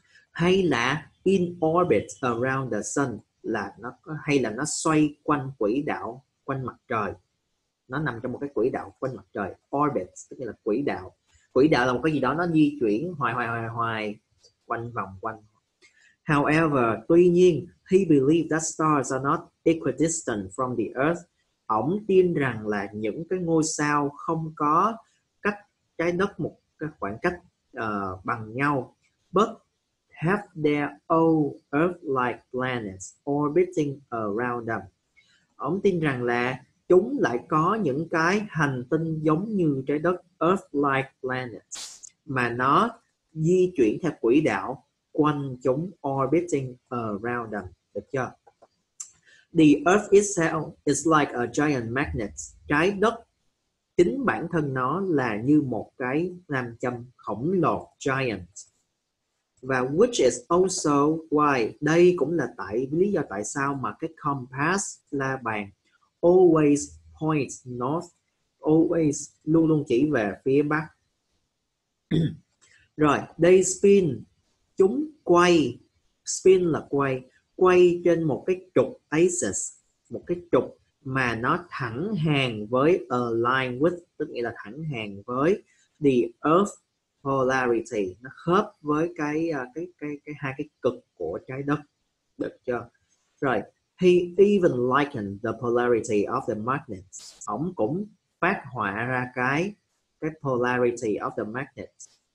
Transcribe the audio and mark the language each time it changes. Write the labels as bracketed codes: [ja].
[vi] Hay là [en] in orbit around the sun, [vi] là nó, hay là nó xoay quanh quỹ đạo quanh mặt trời, nó nằm trong một cái quỹ đạo quanh mặt trời, orbit tức là quỹ đạo. Quỹ đạo là một cái gì đó nó di chuyển hoài quanh vòng quanh. [en] However, [vi] tuy nhiên, [en] he believed that stars are not equidistant from the earth. [vi] Ổng tin rằng là những cái ngôi sao không có cách trái đất một cái khoảng cách bằng nhau. [en] But have their own earth-like planets orbiting around them. [vi] Ổng tin rằng là chúng lại có những cái hành tinh giống như trái đất, [en] earth-like planets, [vi] mà nó di chuyển theo quỹ đạo quanh chúng, [en] orbiting around them. [vi] Được chưa? [en] The earth itself is like a giant magnet. [vi] Trái đất chính bản thân nó là như một cái nam châm khổng lồ, giant. Và [en] which is also why, [vi] đây cũng là tại lý do tại sao mà cái compass, la bàn, [en] always points north, [vi] always luôn luôn chỉ về phía bắc. Rồi, [en] they spin, [vi] chúng quay, spin là quay, quay trên một cái trục axis, một cái trục mà nó thẳng hàng với, [en] align with, [vi] tức nghĩa là thẳng hàng với [en] the earth polarity, [vi] nó khớp với cái hai cái cực của trái đất. Được chưa? [en] Rồi, he even likened the polarity of the magnets. [vi] Ông cũng phát họa ra cái [en] polarity of the magnets.